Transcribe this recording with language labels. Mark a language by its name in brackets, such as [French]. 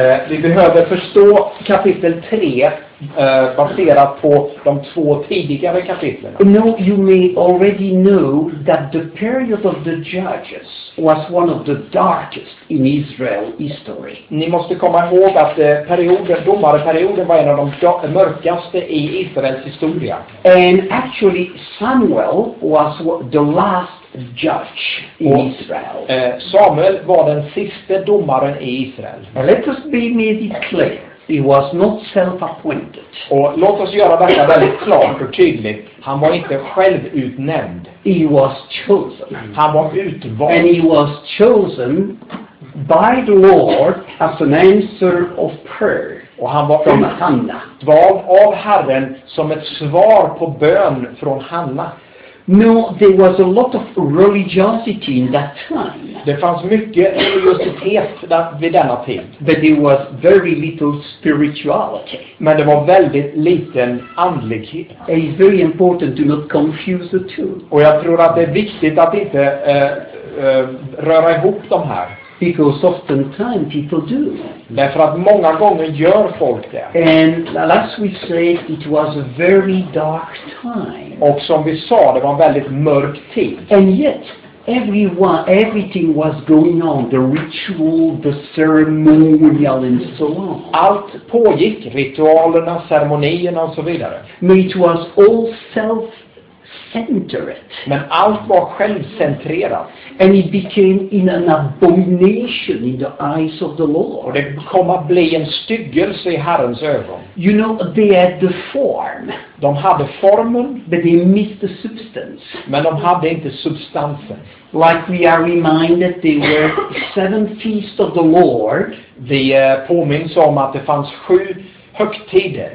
[Swedish] Vi behöver förstå kapitel 3 baserat på de två tidigare kapitlen. [English] No, you may already know that the period of the judges was one of the darkest in Israel history. [Swedish] Ni måste komma ihåg att domarperioden var en av de mörkaste i Israels historia. [English] And actually Samuel was the last judge in Israel. [Swedish] Samuel var den sista domaren i Israel. [English] Let us be made it clear. He was not self-appointed. [Swedish] Och låt oss göra detta väldigt klart och tydligt. Han var inte själv utnämnd. [English] He was chosen. [Swedish] Han var utvald. [English] And he was chosen by the Lord as an answer of prayer. [Swedish] Och han var utvald av Herren som ett svar på bön från Hanna. [English] No, there was a lot of religiosity in that time. [Swedish] Det fanns mycket religiositet vid denna tid. [English] But there was very little spirituality. [Swedish] Men det var väldigt liten andlighet. [English] And it's very important to not confuse the two. [Swedish] Och jag tror att det är viktigt att inte röra ihop de här. [English] Because often time people do. [Swedish] Därför att många gånger gör folk det. [English] And as we say, it was a very dark time. [Swedish] Och som vi sa, det var en väldigt mörk tid. [English] And yet, everything was going on, the ritual, the ceremonial and so on. [Swedish] Allt pågick, ritualerna, ceremonierna och så vidare. [English] But it was all self centered. [Swedish] Men allt var självcentrerat. [English] And it became in an abomination in the eyes of the Lord. [Swedish] Det kom att bli en styggelse i Herrens ögon. [English] You know, they had the form. [Swedish] De hade formen, [English] but they missed the substance. [Swedish] Men de hade inte substansen. [English] Like we are reminded, there were seven feasts of the Lord. [Swedish] Vi påminns om att det fanns sju högtider.